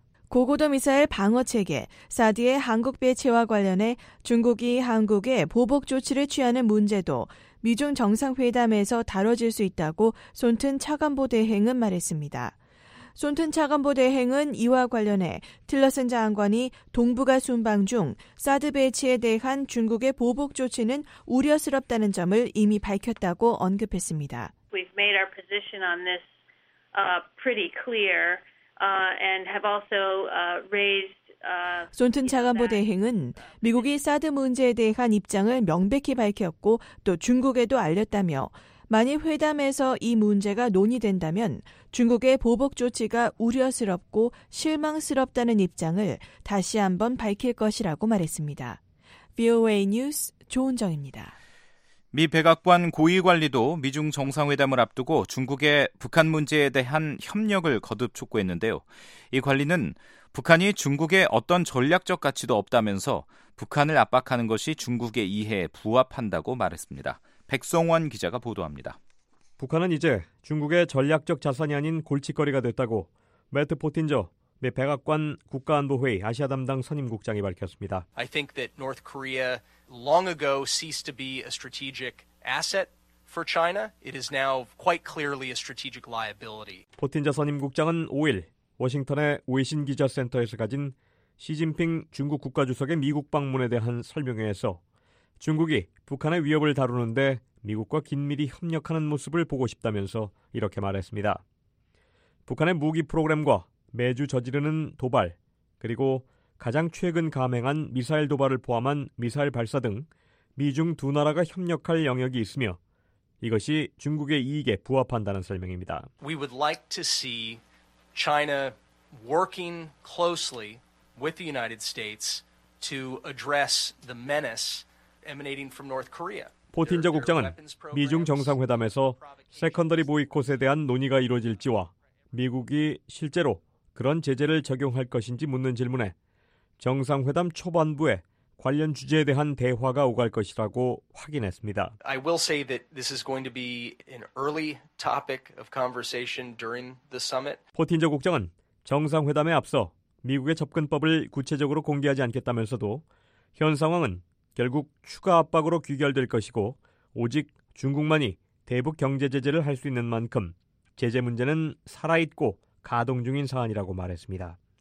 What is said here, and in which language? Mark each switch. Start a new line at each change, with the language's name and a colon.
Korean: 고고도 미사일 방어체계, 사드의 한국 배치와 관련해 중국이 한국에 보복 조치를 취하는 문제도 미중 정상회담에서 다뤄질 수 있다고 손튼 차관보 대행은 말했습니다. 손튼 차관보 대행은 이와 관련해 틸러슨 장관이 동북아 순방 중 사드 배치에 대한 중국의 보복 조치는 우려스럽다는 점을 이미 밝혔다고 언급했습니다.
English: We've made our position on this pretty clear. And have also raised.
Korean: 손튼 차관보 대행은 미국이 사드 문제에 대한 입장을 명백히 밝혔고 또 중국에도 알렸다며 만일 회담에서 이 문제가 논의된다면 중국의 보복 조치가 우려스럽고 실망스럽다는 입장을 다시 한번 밝힐 것이라고 말했습니다. VOA 뉴스 조은정입니다. 미 백악관 고위 관리도 미중 정상회담을 앞두고 중국의 북한 문제에 대한 협력을 거듭 촉구했는데요. 이 관리는 북한이 중국에 어떤 전략적 가치도 없다면서 북한을 압박하는 것이 중국의 이해에 부합한다고 말했습니다. 백성원 기자가 보도합니다. 북한은 이제 중국의 전략적 자산이 아닌 골칫거리가 됐다고 매트 포틴저 미 백악관 국가안보회의 아시아 담당 선임국장이 밝혔습니다.
English: I think that North Korea long ago ceased to be a strategic asset for China. It is now quite clearly a strategic liability.
Korean: 포틴저 선임국장은 5일 워싱턴의 외신 기자 센터에서 가진 시진핑 중국 국가주석의 미국 방문에 대한 설명회에서 중국이 북한의 위협을 다루는데 미국과 긴밀히 협력하는 모습을 보고 싶다면서 이렇게 말했습니다. 북한의 무기 프로그램과 매주 저지르는 도발, 그리고 가장 최근 감행한 미사일 도발을 포함한 미사일 발사 등 미중 두 나라가 협력할 영역이 있으며 이것이 중국의 이익에 부합한다는 설명입니다.
English: We would like to see China working closely with the United States to address the menace emanating from North Korea.
Korean: 포틴저 국장은 미중 정상회담에서 세컨더리 보이콧에 대한 논의가 이루어질지와 미국이 실제로 그런 제재를 적용할 것인지 묻는 질문에 정상회담 초반부에 관련 주제에 대한 대화가 오갈 것이라고 확인했습니다.
English: I will say that this is going to be an early topic of conversation during the summit.
Korean: 포틴저 국장은 정상회담에 앞서 미국의 접근법을 구체적으로 공개하지 않겠다면서도 현 상황은 결국 추가 압박으로 귀결될 것이고 오직 중국만이 대북 경제 제재를 할 수 있는 만큼 제재 문제는 살아있고 가동 중인 사안이라고 말했습니다.